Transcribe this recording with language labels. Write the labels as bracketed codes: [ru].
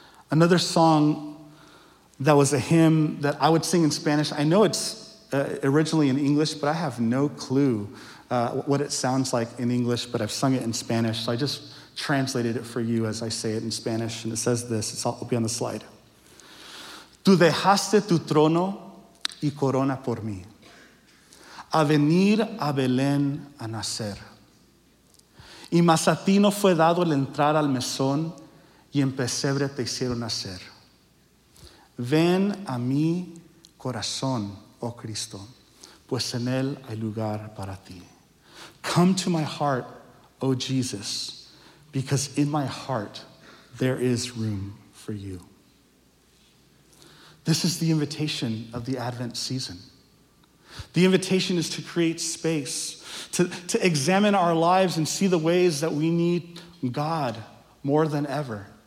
[en] Another song that was a hymn that I would sing in Spanish. I know it's originally in English, but I have no clue what it sounds like in English, but I've sung it in Spanish. So I just translated it for you as I say it in Spanish. And it says this, it'll be on the slide. [es] Tú dejaste tu trono y corona por mí, a venir a Belén a nacer. Y más a ti no fue dado el entrar al mesón y en pesebre te hicieron nacer. Ven a mi corazón, oh Cristo, pues en él hay lugar para ti. [en] Come to my heart, oh Jesus, because in my heart there is room for you. This is the invitation of the Advent season. The invitation is to create space, to examine our lives and see the ways that we need God more than ever.